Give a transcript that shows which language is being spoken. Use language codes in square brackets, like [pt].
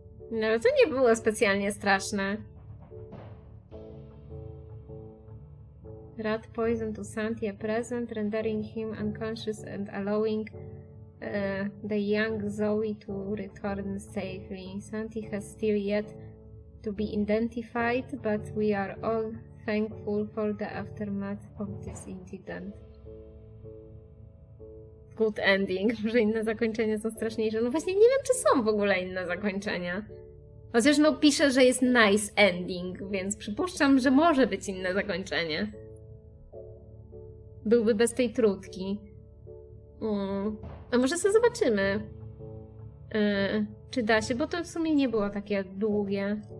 [pl] No, to nie było specjalnie straszne. [en] Rat poison to Santi a present, rendering him unconscious and allowing the young Zoe to return safely. Santi has still yet to be identified, but we are all thankful for the aftermath of this incident. Good ending. [pl] Może inne zakończenia są straszniejsze. No właśnie nie wiem, czy są w ogóle inne zakończenia. Chociaż no pisze, że jest nice ending, więc przypuszczam, że może być inne zakończenie. Byłby bez tej trutki. A może sobie zobaczymy, czy da się, bo to w sumie nie było takie długie.